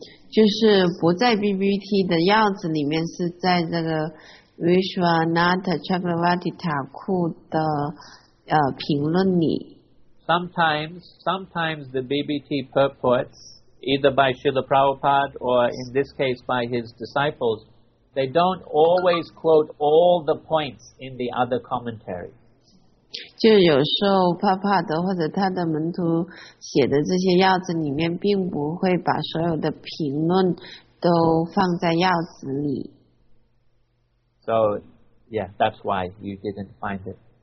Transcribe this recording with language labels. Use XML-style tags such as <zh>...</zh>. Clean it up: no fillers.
<zh>就是不在 BBT 的样子里面，是在这个 Vishwanath Chakravarti Thakur 的评论里。</zh> <en>Sometimes the BBT purports, either by Srila Prabhupada or in this case by his disciples. They don't always quote all the points in the other commentary.</en> <zh>就有时候帕帕德或者他的门徒写的这些要旨里面并不会把所有的评论都放在要旨里。</zh> <en>So, yeah, that's why you didn't find it.</en>